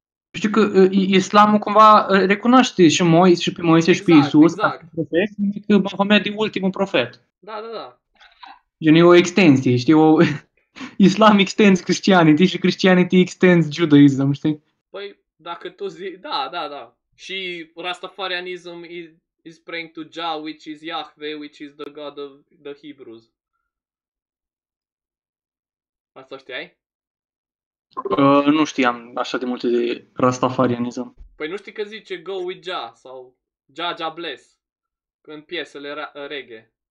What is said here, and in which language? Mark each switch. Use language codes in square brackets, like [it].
[ro] Știu că islamul cumva recunoaște și Moise și pe Moise exact, și pe Iisus, exact. Profet, că Mahomed e ultimul profet. Da. Gen, e o extensie, știi, [en] islam extends Christianity [ro] și [en] Christianity extends Judaism, [ro] știi? Păi, dacă tu zici, da. Și [en] Rastafarianism is praying to Jah, which is Yahweh, which is the God of the Hebrews. [ro] Asta știai? Nu știam așa de multe de Rastafarianism. Păi nu știi că zice Go with Jah sau Jah Jah Bless în piesele reggae?